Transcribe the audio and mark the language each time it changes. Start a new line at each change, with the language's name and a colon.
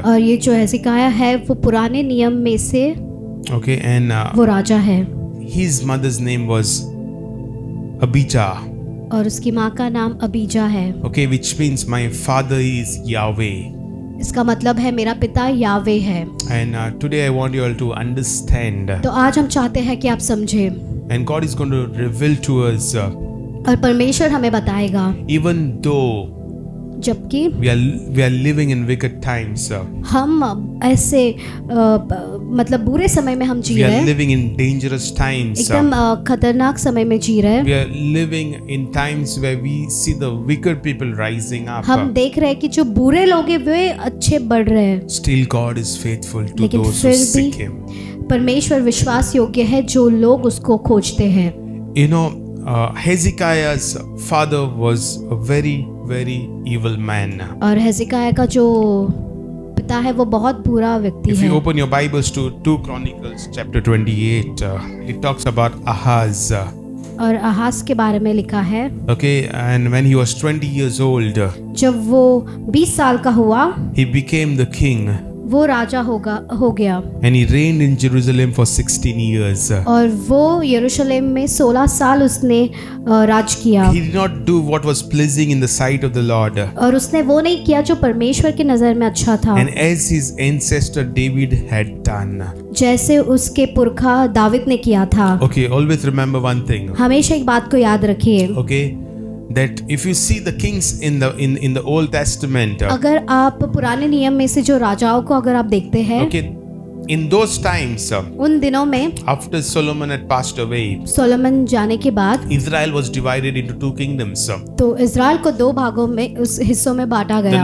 Hindi: और ये जो हेजिकाया है वो पुराने नियम में से.
English: Okay, and
Hindi: वो राजा है.
English: His mother's name was Abijah.
Hindi: और उसकी माँ का नाम अबीजा है.
English: Okay, which means my father is Yahweh.
Hindi: इसका मतलब है मेरा पिता यावे है.
English: And today I want you all to understand.
Hindi: तो आज हम चाहते हैं कि आप समझें.
English: And God is going to reveal to us.
Hindi: और परमेश्वर हमें बताएगा.
English: Even though.
Hindi: जबकि.
English: We are living in wicked times.
Hindi: हम ऐसे मतलब बुरे समय में हम जी रहे हैं.
English: We are living in dangerous times.
Hindi: एकदम खतरनाक समय में जी रहे हैं.
English: We are living in times where we see the wicked people rising up.
Hindi: हम देख रहे हैं कि जो बुरे लोग हैं वे अच्छे बढ़ रहे हैं.
English: Still God is faithful to those who seek Him.
Hindi: परमेश्वर विश्वास योग्य है जो लोग उसको खोजते हैं.
English: You know, Hezekiah's father was a very, very evil man.
Hindi: और हेजिकाया का जो पिता है वो बहुत बुरा व्यक्ति है.
English: If you open your Bibles to 2 Chronicles chapter 28, it talks about Ahaz.
Hindi: और अहाज के बारे में लिखा है.
English: Okay, and when he was 20 years old,
Hindi: जब वो 20 साल का हुआ,
English: he became the king.
Hindi: वो राजा हो गया.
English: And he reigned in Jerusalem for 16 years.
Hindi: और वो यरूशलेम में 16 साल उसने राज किया.
English: He did not do what was pleasing in the sight of the Lord.
Hindi: और उसने वो नहीं किया जो परमेश्वर की नजर में अच्छा था.
English: And as his ancestor David had done.
Hindi: जैसे उसके पुरखा दाविद ने किया था.
English: Okay, always remember one thing.
Hindi: हमेशा एक बात को याद रखिए.
English: Okay. That if you see the kings in the Old Testament,
Hindi: अगर आप पुराने नियम में से जो राजाओं को अगर आप देखते हैं,
English: okay, in those times,
Hindi: उन दिनों में,
English: after Solomon had passed away,
Hindi: Solomon जाने के बाद,
English: Israel was divided into two kingdoms.
Hindi: तो इज़राइल को दो भागों में उस हिस्सों में बांटा गया.